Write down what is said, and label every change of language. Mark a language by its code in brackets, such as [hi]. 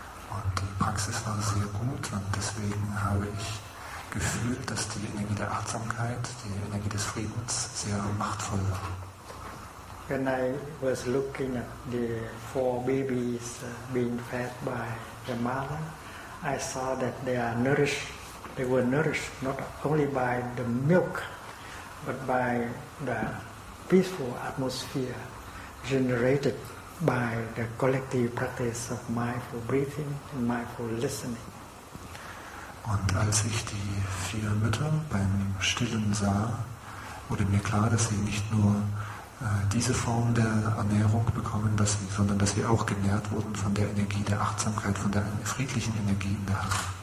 [de] Und die Praxis war sehr gut und deswegen habe ich gefühlt, dass die Energie der Achtsamkeit, die Energie des Friedens sehr machtvoll war. [en] When I was looking at the four babies being fed by the mother, I saw that they are nourished. They were nourished not only by the milk, but by the peaceful atmosphere generated by the collective practice of mindful breathing and mindful listening. [de] Und als ich die vier Mütter beim Stillen sah, wurde mir klar, dass sie nicht nur diese Form der Ernährung bekommen, sondern dass sie auch genährt wurden von der Energie der Achtsamkeit, von der friedlichen Energie in der Hand.